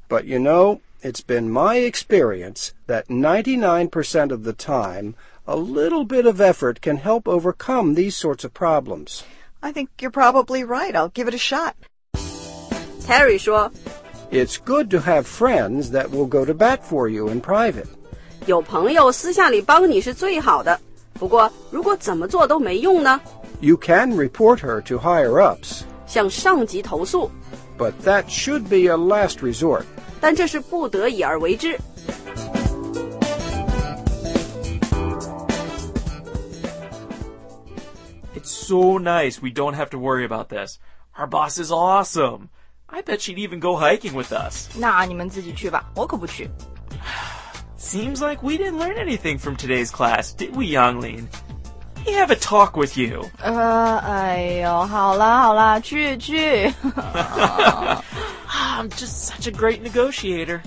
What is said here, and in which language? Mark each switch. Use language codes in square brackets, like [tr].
[en] But you know, it's been my experience that 99% of the time, a little bit of effort can help overcome these sorts of problems. I think you're probably right. I'll give it a shot. [zh] Terry 说, [en] It's good to have friends that will go to bat for you in private. [zh] 有朋友私下里帮你是最好的。不过，如果怎么做都没用呢 [en] ？You can report her to higher ups. [zh] 向上级投诉。 [en] But that should be a last resort. [zh] 但这是不得已而为之。 [en] It's so nice we don't have to worry about this. Our boss is awesome. I bet she'd even go hiking with us. [zh] 那你们自己去吧，我可不去。 [en] Seems like we didn't learn anything from today's class, did we, Yanglin? Let me have a talk with you. [zh] 哎呦，好啦好啦，去去。 [en] I'm just such a great negotiator.